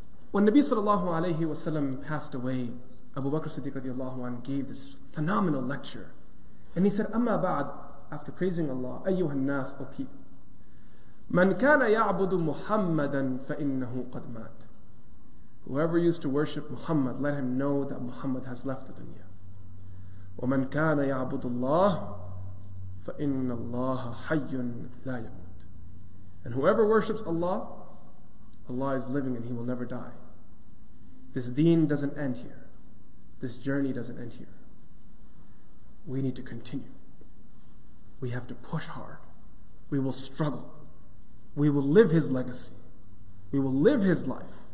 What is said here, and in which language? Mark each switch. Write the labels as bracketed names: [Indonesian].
[English] When Nabi sallallahu alayhi wa sallam passed away, Abu Bakr Siddiq radiallahu anhu gave this phenomenal lecture. And he said, [Arabic] Amma ba'd, [English] after praising Allah, [Arabic] Ayyuhan nas, [English] O people, [Arabic] Man kana ya'budu Muhammadan fa'innahu qad mat. [English] Whoever used to worship Muhammad, let him know that Muhammad has left the dunya. [Arabic] وَمَنْ كَانَ يَعْبُدُ اللَّهِ فَإِنَّ اللَّهَ حَيٌّ لَا يَمُوتُ. [English] And whoever worships Allah, Allah is living and He will never die. This deen doesn't end here. This journey doesn't end here. We need to continue. We have to push hard. We will struggle. We will live His legacy. We will live His life.